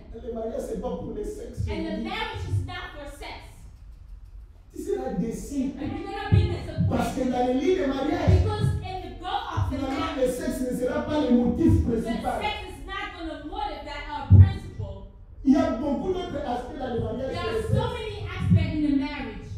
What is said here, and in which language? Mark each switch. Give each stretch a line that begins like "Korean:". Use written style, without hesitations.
French: Et le mariage c'est pas pour le sexe.
English: And the marriage is not for sex.
French: Tu seras déçu.
English: And you're gonna be disappointed.
French: Parce que dans les lits de mariage.
English: Because in the goal of the marriage.
French: Finalement, le sexe ne sera pas le motif principal.
English: The sex is not gonna motivate that our principle.
French: Il y a beaucoup d'autres aspects dans le mariage.
English: There are so many aspects in the marriage.